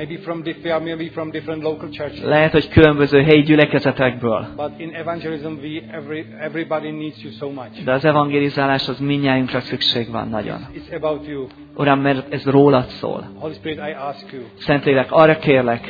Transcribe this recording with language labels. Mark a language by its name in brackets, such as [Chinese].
[English] Maybe from different local churches. [Hungarian] Lehet, hogy különböző helyi gyülekezetekből. [English] But in evangelism everybody needs you so much. [Hungarian] De az evangelizálás az mindnyájunkra szükség van nagyon. [English] It's about you. [Hungarian] Uram, mert ez rólad szól. [English] Holy Spirit, I ask you. [Hungarian] Szentlélek, arra kérlek,